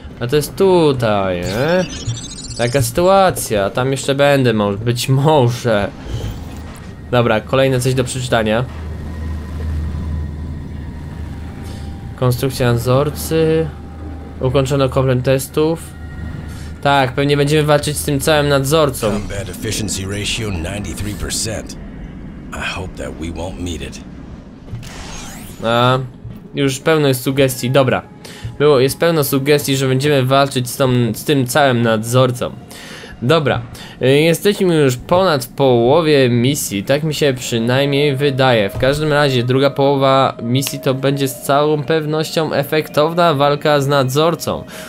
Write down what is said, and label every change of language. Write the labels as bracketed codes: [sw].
[pl] A to jest tutaj, nie? Taka sytuacja, tam jeszcze będę, być może. Dobra, kolejne coś do przeczytania. Konstrukcja nadzorcy. Ukończono komplet testów. Tak, pewnie będziemy walczyć z tym całym nadzorcą. [en] Combat efficiency ratio 93%. I hope that we won't meet it. [pl] A, już pełno jest sugestii, dobra. Było, jest pełno sugestii, że będziemy walczyć z tym całym nadzorcą. Dobra, jesteśmy już ponad połowie misji, tak mi się przynajmniej wydaje. W każdym razie druga połowa misji to będzie z całą pewnością efektowna walka z nadzorcą.